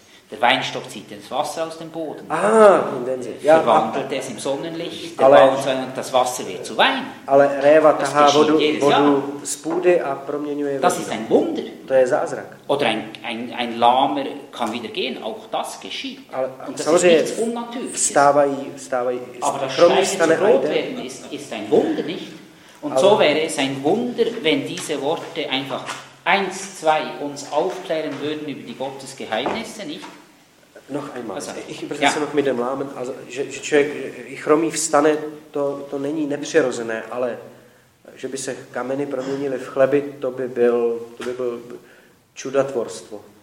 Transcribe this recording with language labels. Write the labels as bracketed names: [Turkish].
[German] Der Weinstock zieht das Wasser aus dem Boden. Ah, verwandelt es im Sonnenlicht, das Wasser wird zu Wein. [Czech] Ale réva tahá vodu z půdy a proměňuje vodu. [German] Das ist ein Wunder. [Czech] To je zázrak. [German] Oder ein Lahmer kann wieder gehen, auch das geschieht. Ale, und das ist nichts Unnatürliches. [Czech] Vstávají. [German] Aber das Steine zu Brot werden ist ein Wunder, nicht? Und so wäre es ein Wunder, wenn diese Worte einfach 1-2 uns aufklären würden über die Gottesgeheimnisse, nicht? Noch einmal. Ich übersetze noch mit dem Lahmen. [Czech] Also, že člověk, i chromý vstane, to není nepřirozené, ale že by se kameny proměnily v chleby, to by byl čudotvorstvo.